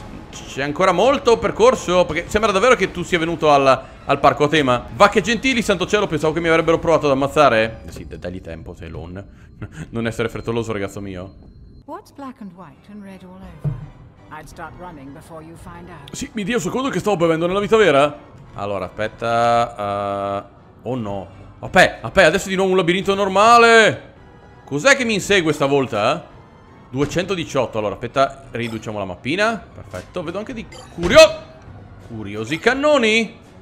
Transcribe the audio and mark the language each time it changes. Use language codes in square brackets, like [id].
[it] C'è ancora molto percorso? Perché sembra davvero che tu sia venuto al parco a tema. Vacche gentili, santo cielo, pensavo che mi avrebbero provato ad ammazzare. Sì, dagli tempo, Telon. Non essere frettoloso, ragazzo mio. [en] What's black and white and red all over? I'd start running before you find out. [it] Sì, mi dia un secondo che stavo bevendo nella vita vera. Allora, aspetta. Oh no. Vabbè, adesso di nuovo un labirinto normale. Cos'è che mi insegue stavolta? 218, allora, aspetta, riduciamo la mappina. Perfetto, vedo anche di curiosi cannoni.